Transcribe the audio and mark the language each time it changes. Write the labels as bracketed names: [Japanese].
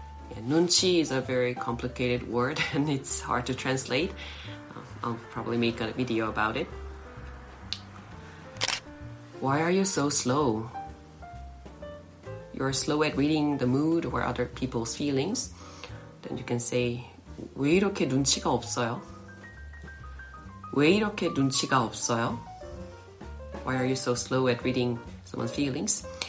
[English] Yeah, 눈치 is a very complicated word and it's hard to translate. I'll probably make a video about it. Why are you so slow? You're slow at reading the mood or other people's feelings. Then you can say, [Korean] 왜 이렇게 눈치가 없어요? 왜 이렇게 눈치가 없어요? [English] Why are you so slow at reading someone's feelings?